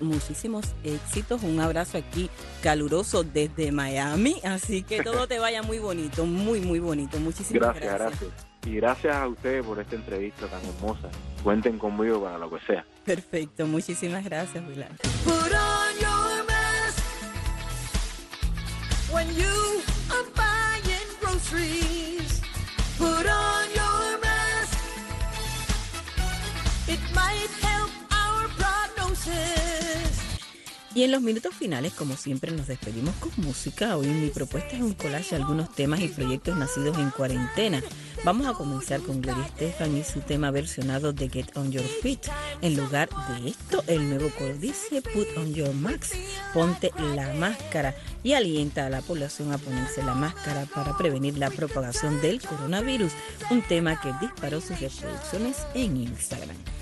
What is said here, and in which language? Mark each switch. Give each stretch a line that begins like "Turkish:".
Spanish: Muchísimos éxitos. Un abrazo aquí caluroso desde Miami. Así que todo te vaya muy bonito, muy, muy bonito. Muchísimas gracias. Gracias. Y gracias a ustedes por esta entrevista tan hermosa. Cuenten conmigo para lo que sea. Perfecto. Muchísimas gracias, Willard.
English: Put on your mask when you are buying groceries. Put on your... It might help our prognosis.
Spanish: Y en los minutos finales, como siempre, nos despedimos con música. Hoy mi propuesta es un collage de algunos temas y proyectos nacidos en cuarentena. Vamos a comenzar con Gloria Estefan y su tema versionado de Get On Your Feet. En lugar de esto, el nuevo coro dice Put On Your Mask, ponte la máscara, y alienta a la población a ponerse la máscara para prevenir la propagación del coronavirus, un tema que disparó sus reproducciones en Instagram.